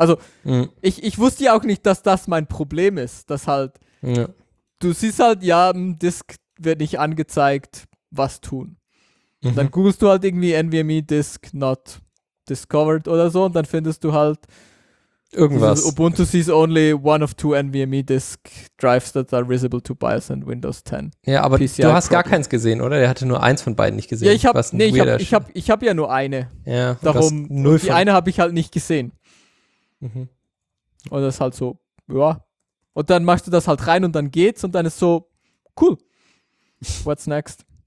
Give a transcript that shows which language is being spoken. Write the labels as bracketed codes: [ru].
[de] Also, ich wusste ja auch nicht, dass das mein Problem ist, dass halt, du siehst halt, ja, im Disk wird nicht angezeigt, was tun. Und dann googelst du halt irgendwie [en] NVMe Disk not discovered [de] oder so und dann findest du halt irgendwas. [en] Ubuntu sees only one of two NVMe disk drives that are visible to BIOS and Windows 10. [de] Ja, aber PCI du hast Problem. Gar keins gesehen, oder? Der hatte nur eins von beiden nicht gesehen. Ja, ich hab ja nur eine. Ja, darum, null die von. Eine habe ich halt nicht gesehen. Und das ist halt so, ja. Und dann machst du das halt rein und dann geht's und dann ist so, cool. [en] What's next?